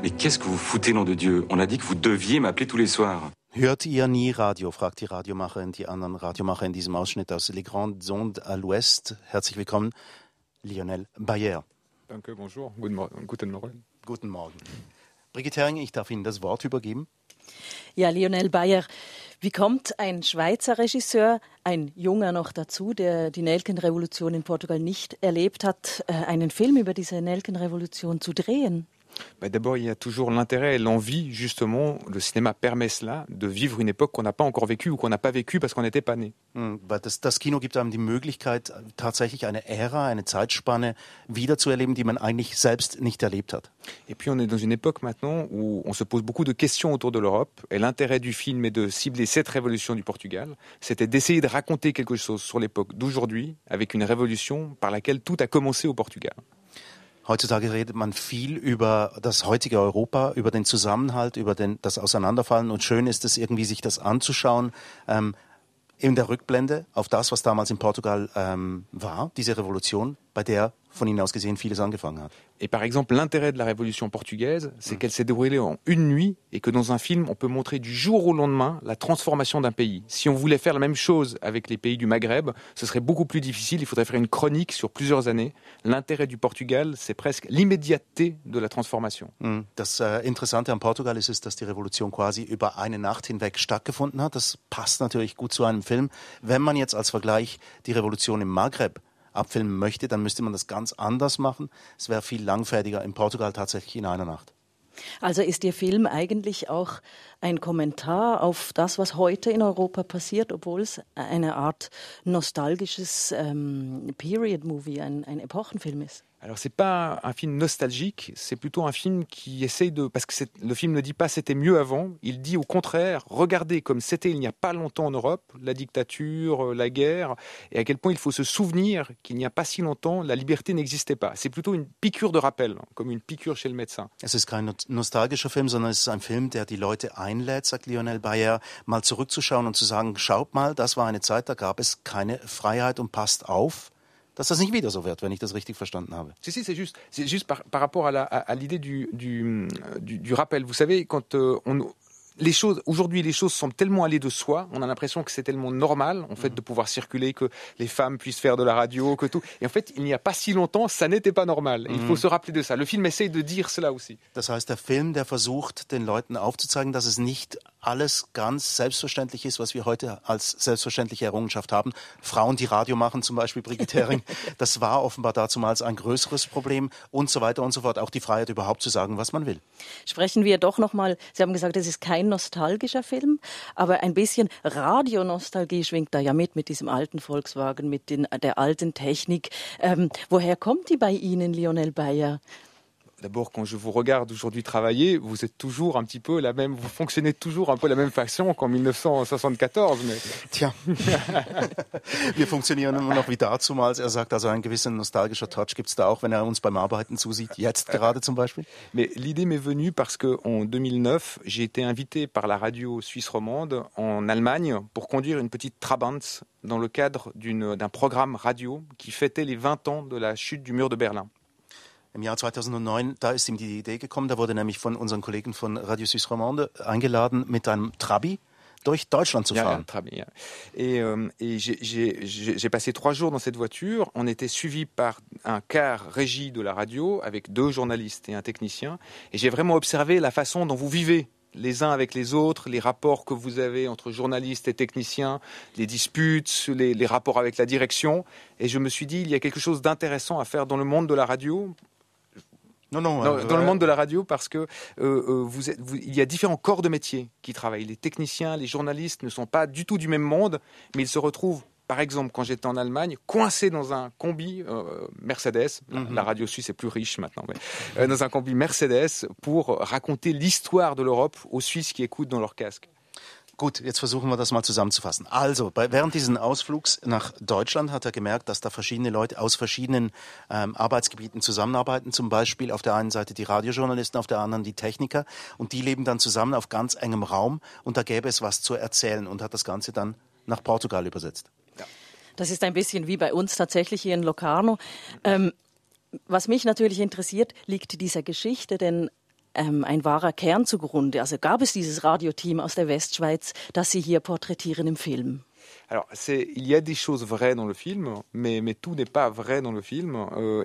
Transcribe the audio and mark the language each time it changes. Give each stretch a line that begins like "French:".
French: Mais qu'est-ce que vous foutez, nom de Dieu? On a dit que vous deviez m'appeler tous les soirs.
German: Hört ihr nie Radio, fragt die Radiomacherin, die anderen Radiomacher in diesem Ausschnitt aus Les Grandes Ondes à l'Ouest. Herzlich willkommen. Lionel Bayer. Danke, bonjour, guten Morgen. Guten Morgen. Brigitte Hering, ich darf Ihnen das Wort übergeben. Ja, Lionel Bayer, wie kommt ein Schweizer Regisseur, ein junger noch dazu, der die Nelkenrevolution in Portugal nicht erlebt hat, einen Film über diese Nelkenrevolution zu drehen?
French: Mais d'abord, il y a toujours l'intérêt et l'envie, justement, le cinéma permet cela, de vivre une époque qu'on n'a pas encore vécue ou qu'on n'a pas vécue parce qu'on n'était pas né.
German: Das Kino gibt einem die Möglichkeit, tatsächlich eine Ära, eine Zeitspanne wiederzuerleben, die man eigentlich selbst nicht erlebt hat.
French: Et puis, on est dans une époque maintenant où on se pose beaucoup de questions autour de l'Europe. Et l'intérêt du film est de cibler cette révolution du Portugal. C'était d'essayer de raconter quelque chose sur l'époque d'aujourd'hui, avec une révolution par laquelle tout a commencé au Portugal.
German: Heutzutage redet man viel über das heutige Europa, über den Zusammenhalt, über das Auseinanderfallen. Und schön ist es irgendwie, sich das anzuschauen, in der Rückblende auf das, was damals in Portugal war, diese Revolution, bei der von Ihnen aus gesehen vieles angefangen hat.
French: Et par exemple, l'intérêt de la révolution portugaise, c'est qu'elle s'est déroulée en une nuit et que dans un film, on peut montrer du jour au lendemain la transformation d'un pays. Si on voulait faire la même chose avec les pays du Maghreb, ce serait beaucoup plus difficile, il faudrait faire une chronique sur plusieurs années. L'intérêt du Portugal, c'est presque l'immédiateté de la transformation.
German: Das Interessante an Portugal ist, dass die Revolution quasi über eine Nacht hinweg stattgefunden hat. Das passt natürlich gut zu einem Film. Wenn man jetzt als Vergleich die Revolution im Maghreb abfilmen möchte, dann müsste man das ganz anders machen. Es wäre viel langfertiger in Portugal tatsächlich in einer Nacht. Also ist Ihr Film eigentlich auch ein Kommentar auf das, was heute in Europa passiert, obwohl es eine Art nostalgisches Period-Movie, ein Epochenfilm ist?
French: Alors c'est pas un film nostalgique, c'est plutôt un film qui essaye de... Parce que le film ne dit pas c'était mieux avant, il dit au contraire, regardez comme c'était il n'y a pas longtemps en Europe, la dictature, la guerre, et à quel point il faut se souvenir qu'il n'y a pas si longtemps, la liberté n'existait pas. C'est plutôt une piqûre de rappel, comme une piqûre chez le médecin. Es ist kein nostalgischer Film, sondern es ist ein Film, der die Leute einlädt, sagt Lionel Bayer, mal zurückzuschauen und zu sagen, schaut mal, das war eine Zeit, da gab es keine Freiheit und passt auf. Dass das nicht wieder so wird, wenn ich das richtig verstanden habe. Si, si, c'est juste par rapport à l'idée du rappel. Vous savez, quand on. Les choses, aujourd'hui, les choses semblent tellement aller de soi, on a l'impression que c'est tellement normal, en fait, de pouvoir circuler, que les femmes puissent faire de la radio, que tout. Et en fait, il n'y a pas si longtemps, ça n'était pas normal. Il faut se rappeler de ça. Le film essaye de dire cela aussi.
German: Das heißt, der Film, der versucht, den Leuten aufzuzeigen, dass es nicht alles ganz selbstverständlich ist, was wir heute als selbstverständliche Errungenschaft haben. Frauen, die Radio machen, zum Beispiel Brigitte Hering, das war offenbar dazumals ein größeres Problem und so weiter und so fort. Auch die Freiheit, überhaupt zu sagen, was man will. Sprechen wir doch nochmal, Sie haben gesagt, es ist kein nostalgischer Film, aber ein bisschen Radionostalgie schwingt da ja mit diesem alten Volkswagen, mit der alten Technik. Woher kommt die bei Ihnen, Lionel Bayer?
French: D'abord, quand je vous regarde aujourd'hui travailler, vous êtes toujours un petit peu la même, vous fonctionnez toujours un peu la même façon qu'en 1974. Mais...
German: Tiens, wir funktionieren immer noch wie dazumals. Er sagt, also ein gewisser nostalgischer Touch gibt es da auch, wenn er uns beim Arbeiten zusieht, jetzt gerade zum Beispiel.
French: Mais l'idée m'est venue parce qu'en 2009, j'ai été invité par la radio suisse romande en Allemagne pour conduire une petite Trabant dans le cadre d'un programme radio qui fêtait les 20 ans de la chute du mur de Berlin.
German: Im Jahr 2009, da ist ihm die Idee gekommen, da wurde nämlich von unseren Kollegen von Radio Suisse Romande eingeladen, mit einem Trabi durch Deutschland zu fahren. Ja, Trabi, ja.
French: Et j'ai passé trois jours dans cette voiture. On était suivis par un quart régie de la radio, avec deux journalistes et un technicien. Et j'ai vraiment observé la façon dont vous vivez les uns avec les autres, les rapports que vous avez entre journalistes et techniciens, les disputes, les rapports avec la direction. Et je me suis dit, il y a quelque chose d'intéressant à faire dans le monde de la radio. Non, le monde de la radio, parce que il y a différents corps de métier qui travaillent. Les techniciens, les journalistes ne sont pas du tout du même monde, mais ils se retrouvent, par exemple, quand j'étais en Allemagne, coincés dans un combi Mercedes. La radio suisse est plus riche maintenant, mais dans un combi Mercedes pour raconter l'histoire de l'Europe aux Suisses qui écoutent dans leur casque.
German: Gut, jetzt versuchen wir das mal zusammenzufassen. Also, während dieses Ausflugs nach Deutschland hat er gemerkt, dass da verschiedene Leute aus verschiedenen Arbeitsgebieten zusammenarbeiten. Zum Beispiel auf der einen Seite die Radiojournalisten, auf der anderen die Techniker. Und die leben dann zusammen auf ganz engem Raum. Und da gäbe es was zu erzählen und hat das Ganze dann nach Portugal übersetzt. Ja. Das ist ein bisschen wie bei uns tatsächlich hier in Locarno. Was mich natürlich interessiert, liegt dieser Geschichte, denn ein wahrer Kern zugrunde. Also gab es dieses Radioteam aus der Westschweiz, das Sie hier porträtieren im Film?
French: Alors, il y a des choses vraies dans le film, mais tout n'est pas vrai dans le film.